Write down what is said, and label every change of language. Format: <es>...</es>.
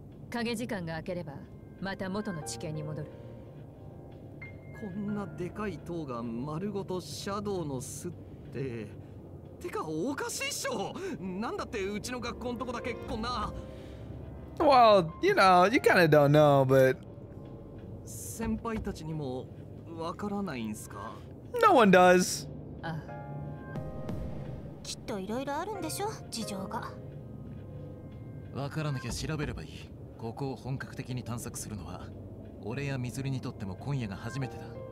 <ja>影時間が明ければまた元の地形に戻る。こんなでかい塔が丸ごとシャドウの巣って。てかおかしいっしょ。なんだってうちの学校のとこだけこんな。</ja> <en>Well, you know, you kind of don't know, but.</en> <ja>先輩たちにもわからないんすか。</ja> <en>No one does.</en> <ja>ああ。きっといろいろあるんでしょ、事情が。わからなきゃ調べればいい。ここを本格的に探索するのは俺やミズリにとっても今夜が初めてだ。</ja>